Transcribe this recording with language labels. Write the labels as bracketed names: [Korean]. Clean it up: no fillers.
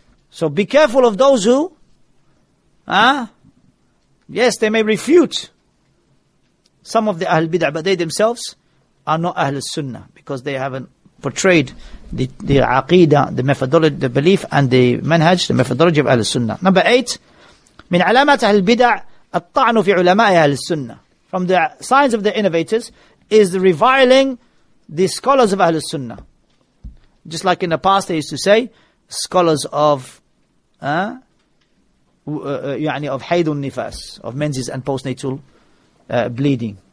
[English] So be careful of those who, yes, they may refute some of the Ahl Bid'ah, but they themselves are not Ahl Sunnah, because they haven't portrayed the Aqidah, the methodology, the belief, and the manhaj, the methodology of Ahl Sunnah. Number 8, [Arabic] من علامات أهل البدع الطعن في علماء أهل السنة. [English] From the signs of the innovators is reviling the scholars of Ahl Sunnah. Just like in the past they used to say, scholars of of Haydun Nifas, of menses and postnatal bleeding.